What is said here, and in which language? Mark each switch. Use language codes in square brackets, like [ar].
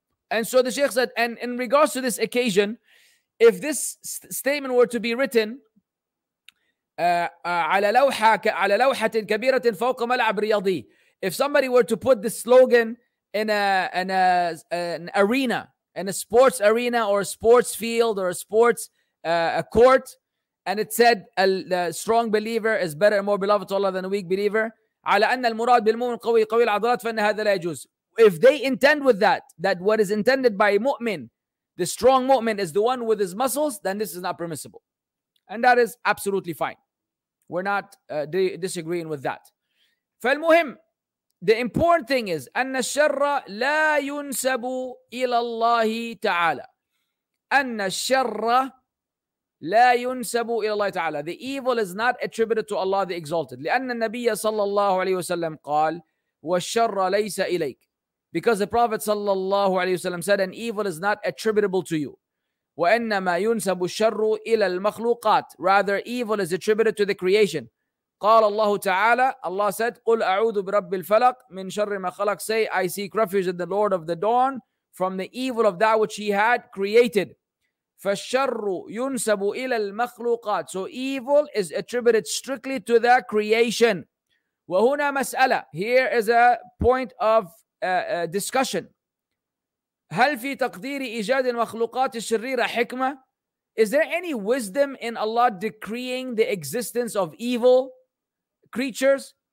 [en] And so the Sheikh said, and in regards to this occasion, if this statement were to be written, if somebody were to put the slogan in an arena, in a sports arena or a sports field or a sports a court, and it said the strong believer is better and more beloved to Allah than a weak believer, [ar] على أن المراد بالمؤمن قوي قوي العضلات فإن هذا لا يجوز. [en] If they intend with that what is intended by mu'min, the strong mu'min is the one with his muscles, then this is not permissible, and that is absolutely fine. We're not disagreeing with that. [ar] فالمهم, [en] the important thing is [ar] أن الشر لا ينسب إلى الله تعالى. أن الشر لا ينسب إلى الله تعالى. [en] The evil is not attributed to Allah the Exalted. [ar] لأن النبي صلى الله عليه وسلم قال والشر ليس إليك. [en] Because the Prophet صلى الله عليه وسلم said an evil is not attributable to you. [ar] وإنما ينسب الشر إلى المخلوقات. [en] Rather, evil is attributed to the creation. [ar] قال الله تعالى, [en] Allah said, [ar] قل أعوذ برب الفلق من شر ما خلق. [en] Say, I seek refuge in the Lord of the Dawn from the evil of that which He had created. [ar] فالشر ينسب إلى المخلوقات. [en] So evil is attributed strictly to the creation. [ar] وهنا مسألة. [en] Here is a point of discussion. [ar] هل في تقدير إيجاد المخلوقات الشريرة حكمة؟ [en] Is there any wisdom in Allah decreeing the existence of evil creatures?